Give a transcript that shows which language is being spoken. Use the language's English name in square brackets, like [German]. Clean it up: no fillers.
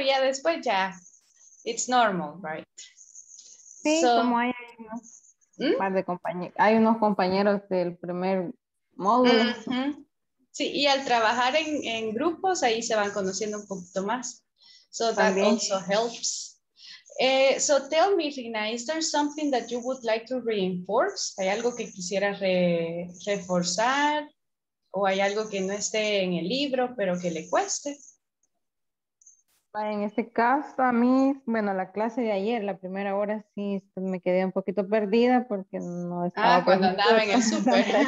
[Spanish] Ya después ya, [English] it's normal, right? [Spanish] Sí, so, como hay unos, ¿hmm? Par de compañeros, hay unos compañeros del primer módulo. Uh-huh. Sí, y al trabajar en grupos, ahí se van conociendo un poquito más. [English] So that [Spanish] también [English] also helps. So tell me, Lina, is there something that you would like to reinforce? [Spanish] ¿Hay algo que quisieras reforzar? ¿O hay algo que no esté en el libro, pero que le cueste? En este caso, a mí, bueno, la clase de ayer, la primera hora, sí, me quedé un poquito perdida porque no estaba... Ah, cuando andaba en el súper.